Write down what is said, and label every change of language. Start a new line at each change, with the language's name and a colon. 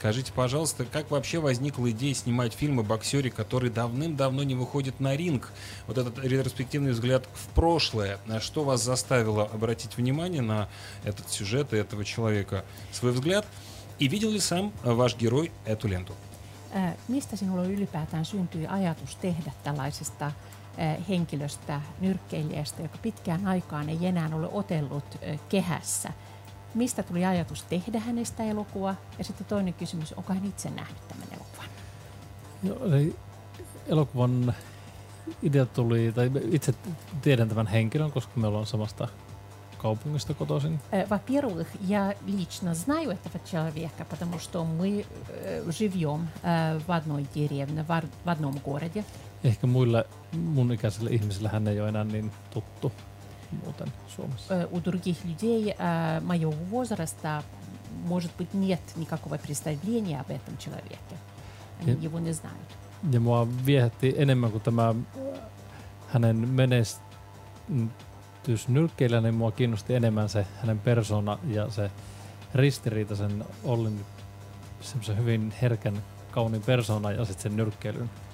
Russian: Скажите, пожалуйста, как вообще возникла идея снимать фильм о боксере, который давным-давно не выходит на ринг? Вот этот ретроспективный взгляд в прошлое. Что вас заставило обратить внимание на этот сюжет и этого человека? Свой взгляд. И видел ли сам ваш герой эту ленту?
Finnish: Mistä sinulla ylipäätään syntyi ajatus tehdä tällaisesta henkilöstä, nyrkkeilijästä, joka pitkään aikaan ei enää ole otellut kehässä. Mistä tuli ajatus tehdä hänestä elokuva? Ja sitten toinen kysymys, onko hän itse nähnyt tämän elokuvan? Elokuvan idea tuli, tai itse tiedän tämän henkilön, koska me ollaan samasta kaupungista kotoisin.
Russian: Во-первых, я лично знаю этого человека, потому что мы живем в одной деревне, в одном городе.
Finnish: Ehkä muille mun ikäisille ihmisille hän ei ole enää niin tuttu muuten Suomessa.
Russian: У других людей моего возраста, может быть, нет никакого представления об этом человеке. Они его не знают.
Finnish: Ja mua viehätti enemmän kuin tämä hänen menestys nyrkkeillä, niin mua kiinnosti enemmän se hänen persona ja se ristiriita sen Ollin semmoisen hyvin herkän, kauniin persona ja sitten sen nyrkkeilyn.